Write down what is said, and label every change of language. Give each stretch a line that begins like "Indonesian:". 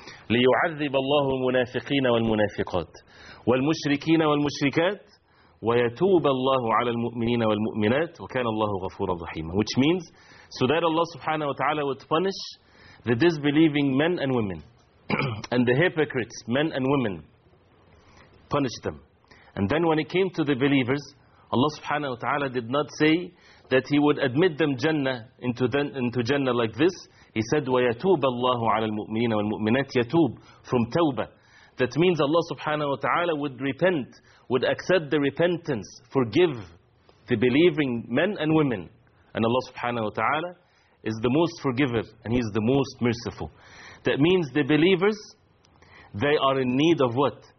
Arabic: لِيُعَذِّبَ اللَّهُ الْمُنَافِقِينَ وَالْمُنَافِقَاتِ وَالْمُشْرِكِينَ وَالْمُشْرِكَاتِ وَيَتُوبَ اللَّهُ عَلَى الْمُؤْمِنِينَ وَالْمُؤْمِنَاتِ وَكَانَ اللَّهُ غَفُورًا رَحِيمًا,
English: which means, so that Allah subhanahu wa ta'ala would punish the disbelieving men and women, and the hypocrites, men and women, punish them. And then when it came to the believers, Allah subhanahu wa ta'ala did not say that He would admit them Jannah into Jannah like this. He said,
Arabic: وَيَتُوبَ اللَّهُ عَلَى الْمُؤْمِنِينَ وَالْمُؤْمِنَاتِ,
English: يَتُوبُ from tawbah. That means Allah subhanahu wa ta'ala would repent, would accept the repentance, forgive the believing men and women. And Allah subhanahu wa ta'ala is the most forgiver and He is the most merciful. That means the believers, they are in need of what?